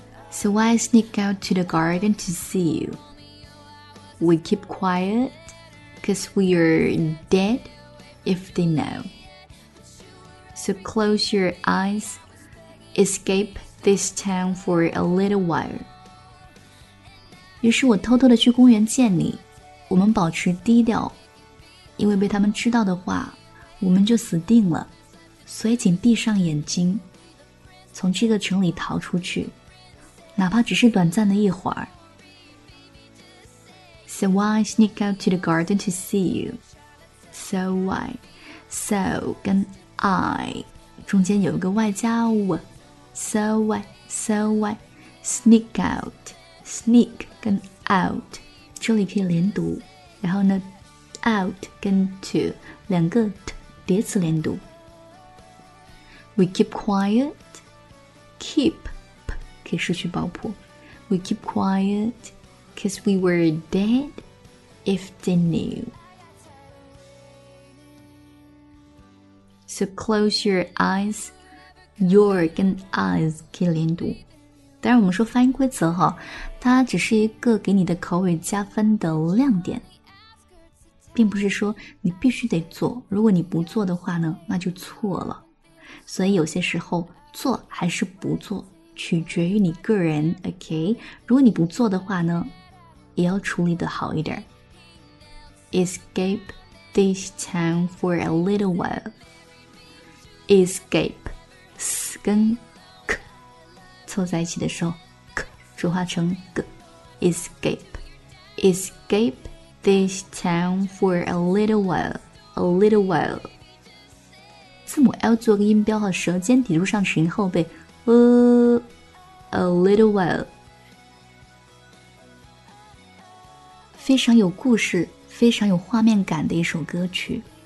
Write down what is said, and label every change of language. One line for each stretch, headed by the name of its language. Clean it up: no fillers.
English: So I sneak out to the garden to see you. We keep quiet, cause we're dead if they know. So close your eyes, escape this town for a little while.
Chinese: 于是我偷偷地去公园见你，我们保持低调，因为被他们知道的话，我们就死定了。所以请闭上眼睛，从这个城里逃出去。哪怕只是短暂的一会儿。
English: So why sneak out to the garden to see you? So why?
Chinese: So 跟 I 中间有一个外加物。
English: So why? So why? Sneak out.
Chinese: Sneak 跟 out 这里可以连读，然后呢 out 跟 to 两个 t 叠词连读。
English: We keep quiet.
Chinese: Keep可以失去爆破。
English: We keep quiet, cause we were dead if they knew. So close your eyes, your 跟 eyes
Chinese: 可以连读。当然我们说发音规则哈，它只是一个给你的口语加分的亮点，并不是说你必须得做，如果你不做的话呢，那就错了。所以有些时候做还是不做取决于你个人 ，OK。如果你不做的话呢，也要处理的好一点。
English: Escape this town for a little while.
Chinese: Escape, s 跟 k 凑在一起的时候 ，k 浊化成 g。
English: Escape, escape this town for a little while. A little while.
Chinese: 字母 L 做个音标和舌尖抵住上齿龈后背，
English: A little while，
Chinese: 非常有故事、非常有画面感的一首歌曲。